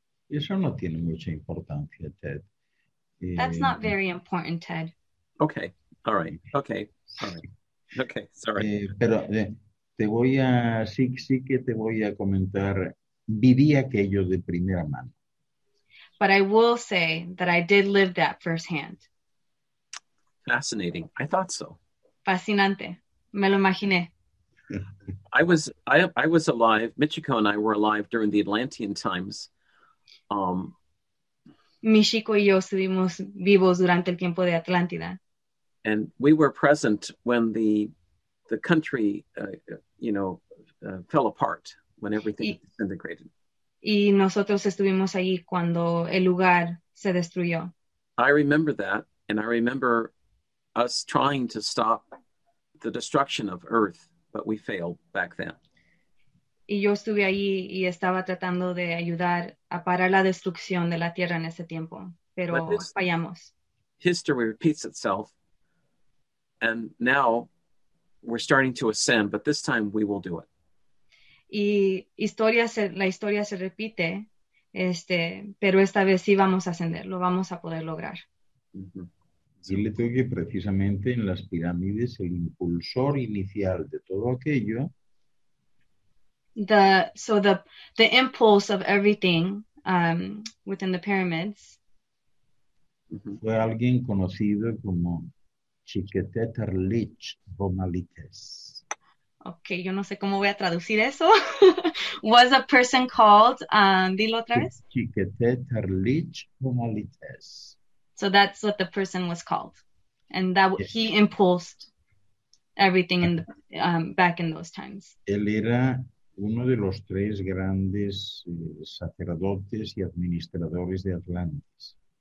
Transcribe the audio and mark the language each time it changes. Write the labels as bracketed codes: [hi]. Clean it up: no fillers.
[es] Eso no tiene mucha importancia, Ted. [en] That's not very important, Ted. Okay, all right, okay, sorry. Okay, sorry. [es] Pero te voy a comentar, viví aquello de primera mano. [en] But I will say that I did live that firsthand. Fascinating, I thought so. [es] Fascinante. Me lo imaginé. [en] I was alive. Michiko and I were alive during the Atlantean times. [es] mi chico y yo estuvimos vivos durante el tiempo de Atlántida. [en] And we were present when the country, fell apart, when everything disintegrated. [es] Y nosotros estuvimos allí cuando el lugar se destruyó. [en] I remember that, and I remember us trying to stop the destruction of Earth, but we failed back then. [es] Y yo estuve allí y estaba tratando de ayudar a parar la destrucción de la Tierra en ese tiempo, pero fallamos. [en] History repeats itself, and now we're starting to ascend, but this time we will do it. [es] Y la historia se repite, pero esta vez sí vamos a ascender, lo vamos a poder lograr. Uh-huh. Yo le digo que precisamente en las pirámides el impulsor inicial de todo aquello. [en] The impulse of everything within the pyramids. [es] Fue alguien conocido como Chiquetetarlich Bomalites. Okay, yo no sé cómo voy a traducir eso. [en] Was a person called, [es] dilo otra vez. Chiquetetarlich Bomalites. [en] So that's what the person was called. And that yes. He impulsed everything in the, back in those times. [es] Él era uno de los tres grandes sacerdotes y administradores de Atlantis.